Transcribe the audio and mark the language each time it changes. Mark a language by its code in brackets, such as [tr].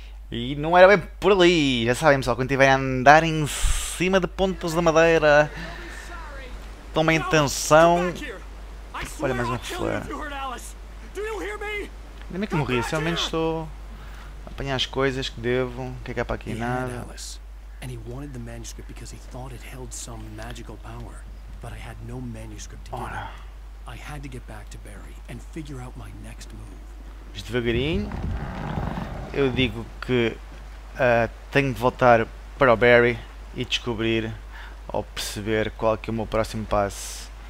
[pt] E não era bem por ali, já sabemos, só quando estiver a andar em cima de pontas de madeira, toma intenção. Olha mais uma flor. Ainda bem que morri, se ao menos estou a apanhar as coisas que devo, o que é para aqui nada. [en] And he wanted the manuscript because he thought it held some magical power. But I had no manuscript to give. I had to get back to Barry and figure out my next move. [pt] Just devagarinho. Eu digo que tenho que voltar para o Barry e descobrir ou perceber qual que é o meu próximo passo.